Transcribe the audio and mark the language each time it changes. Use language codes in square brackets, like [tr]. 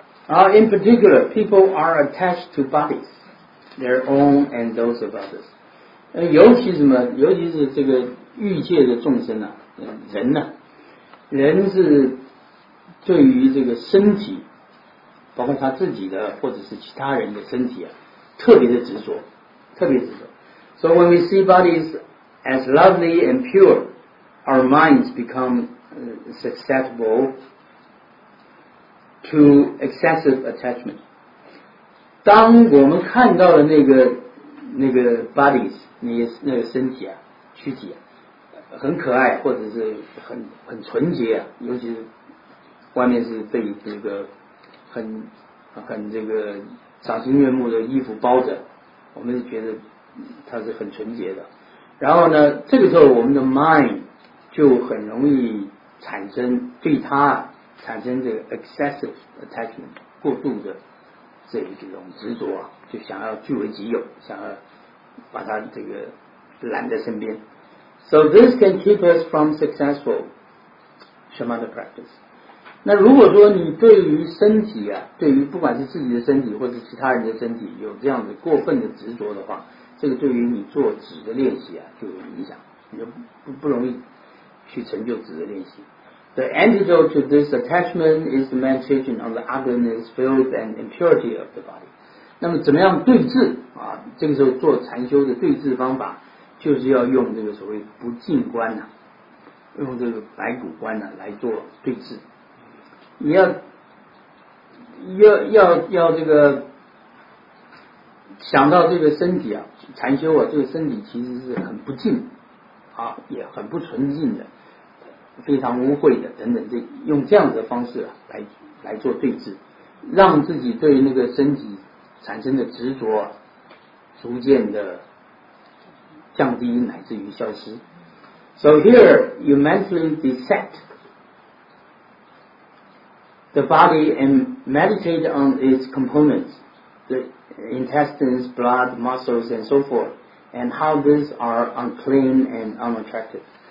[en] In particular, people are attached to bodies, their own and those of others. [zh] 尤其什么？尤其是这个欲界的众生啊，人呢、啊？人是对于这个身体，包括他自己的或者是其他人的身体啊，特别的执着，特别执着。 [en] So when we see bodies as lovely and pure, our minds become susceptible. To excessive attachment. [zh] 当我们看到了那个 bodies， 那个身体啊，躯体啊，很可爱，或者是很纯洁啊，尤其是外面是被这个很这个赏心悦目的衣服包着，我们就觉得它是很纯洁的。然后呢，这个时候我们的 mind 就很容易产生对它。产生这个 [en] excessive attachment [zh] 过度的这种执着、啊、就想要据为己有，想要把它这个揽在身边。 [en] So this can keep us from successful shamatha practice. [zh] 那如果说你对于身体啊，对于不管是自己的身体或者其他人的身体有这样子过分的执着的话，这个对于你做止的练习啊就有影响，你就 不容易去成就止的练习。 [en] The antidote to this attachment is the meditation on the ugliness, filth, and impurity of the body. [zh] 那么怎么样对治啊？这个时候做禅修的对治方法，就是要用这个所谓不净观呐、啊，用这个白骨观呐、啊、来做对治。你要这个想到这个身体啊，禅修啊，这个身体其实是很不净啊，也很不纯净的。非常污秽的等等，用这样子的方式、啊、来做对治，让自己对那个身体产生的执着、啊、逐渐的降低乃至于消失。 [en] So here, you mentally dissect the body and meditate on its components, the intestines, blood, muscles, and so forth, and how these are unclean and unattractive.